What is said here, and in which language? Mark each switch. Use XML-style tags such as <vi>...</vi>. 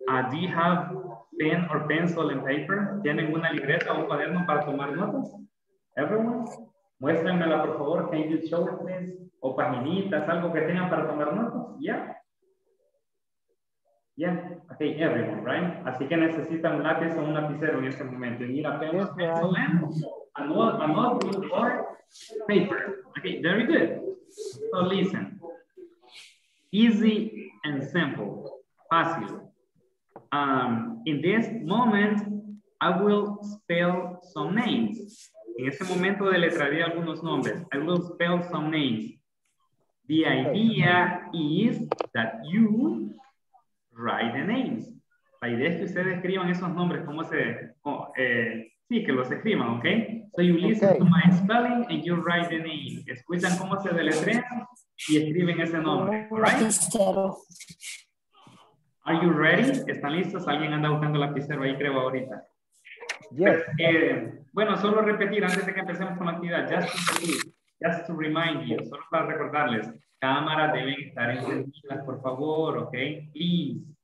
<en>Do you have pen or pencil and paper?</en> <es>¿Tienen una libreta o un cuaderno para tomar notas?</es> <en>Everyone?</en> <es>Muéstrenmela, por favor.</es> <en>Can you show it, please?</en> <es>O paginitas, algo que tengan para tomar notas.</es> <en>Yeah. Yeah. Okay, everyone, right?</en> <es>Así que necesitan un lápiz o un lapicero en este momento. Y mira,</es> <en>a notebook or paper. Okay, very good. So listen. Easy and simple. Fácil. In this moment, I will spell some names.</en> <es>En este momento deletrearé algunos nombres.</es> <en>I will spell some names. The idea is that you write the names.</en> <es>La idea es que ustedes escriban esos nombres, cómo se, sí, que los escriban, ¿ok?</es> <en>So you listen to my spelling and you write the name.</en> <es>Escuchan cómo se deletrean y escriben ese nombre, ¿right?</es> <en>Are you ready?</en> <es>¿Están listos? Alguien anda buscando lapicero ahí, creo, ahorita.</es> <en>Yes.</en> <es>Bueno, solo repetir antes de que empecemos con la actividad.</es> <en>Just to remind you,</en> <es>solo para recordarles, cámaras deben estar encendidas, por favor, ok?</es> <en>Please.</en>